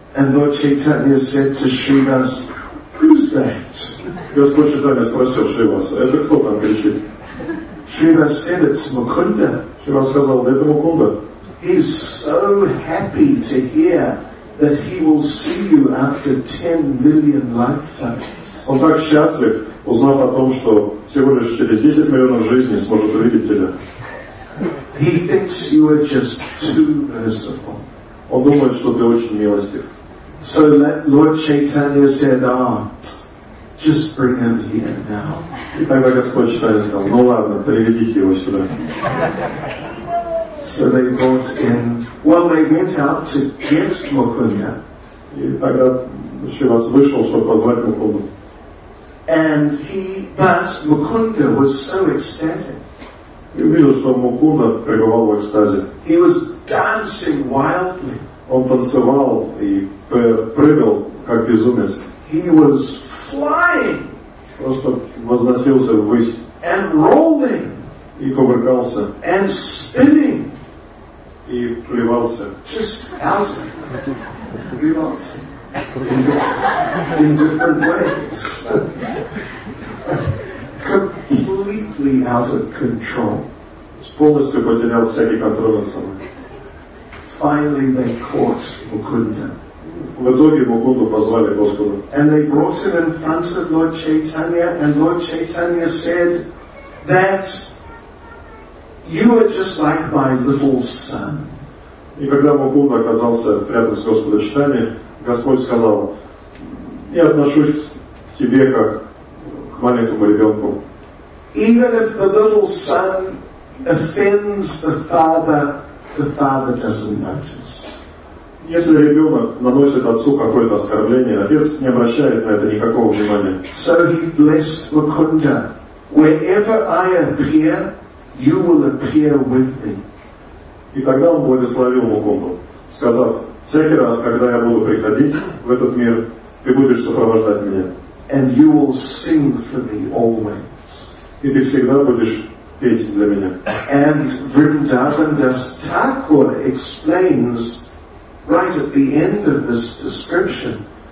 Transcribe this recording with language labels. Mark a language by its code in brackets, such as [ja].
[en] And Lord Chaitanya said to Shrivas, who's that? [ru] Господь Читанья спросил Шривас, это кто там кричит? [en] Shrivas said, it's Mukunda. [ru] Шривас сказал, это Мукунда. [en] He's so happy to hear that he will see you after 10 million lifetimes. [ru] Он так счастлив, узнав о том, что всего лишь через 10 миллионов жизней сможет увидеть тебя. [en] He thinks you are just too merciful. [ru] Он думает, что ты очень милостив. [en] So Lord Chaitanya said, just bring him here now. [ru] И тогда Господь Читанья сказал, ну ладно, приведите его сюда. [en] So they brought in, well, they went out to get Mukunda. [ru] И тогда Шривас вышел, чтобы позвать Мукунду. [en] And he, but Mukunda was so ecstatic. [ru] И увидел, что Мукунда пребывал в экстазе. [en] He was dancing wildly. [ru] Он танцевал и прыгал, как безумец. [en] He was flying. [ru] Просто возносился ввысь. [en] And rolling. [ru] И кувыркался. [en] And spinning. [ru] И плевался. [en] Just out. In different ways. Completely out of control. [ru] Полностью потерял всякий контроль над собой. [en] Finally they caught Mukunda. [ru] В итоге Мукунду позвали Господа. [en] And they brought him in front of Lord Chaitanya, and Lord Chaitanya said that you are just like my little son. [ru] И когда Мукунда оказался рядом с Господом Читанья, Господь сказал, я отношусь к тебе как к маленькому ребенку. [en] Even if the little son offends the father doesn't notice. [ru] Если ребенок наносит отцу какое-то оскорбление, отец не обращает на это никакого внимания. [en] So he blessed Mukunda. Wherever I appear, you will appear with me. [ru] И тогда он благословил Мукунду, сказав, всякий раз, когда я буду приходить в этот мир, ты будешь сопровождать меня. [en] And you will sing for me always. [ru] И ты всегда будешь петь для меня. [en] And Vrindavan Das Thakur explains right at the end of this description.